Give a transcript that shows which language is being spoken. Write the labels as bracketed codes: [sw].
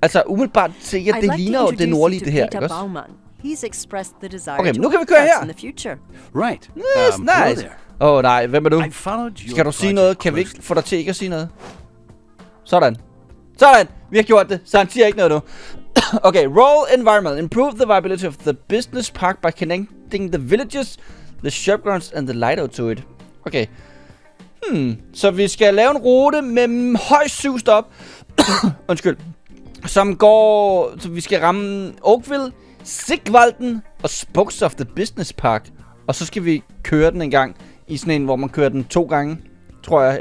[da] Altså, umiddelbart tænker jeg, det ligner jo det nordlige, det her, ikke også? [en] He's expressed the desire okay, [da] nu kan vi køre her. [en] Right. Yes, nice. [da] Åh, oh, nej. Hvem er du? Skal du sige noget? Kan vi ikke få dig til ikke at sige noget? Sådan. Sådan. Vi har gjort det. Så han siger ikke noget nu. [en] Okay. Roll environment. Improve the viability of the business park by connecting the villages, the shopgrounds and the light out to it. Okay. [da] Så vi skal lave en rute med højst 7 stop. Undskyld. Som går... Så vi skal ramme Oakville, Sigvalden og Spokes of the Business Park. Og så skal vi køre den en gang. I sådan en, hvor man kører den 2 gange, tror jeg.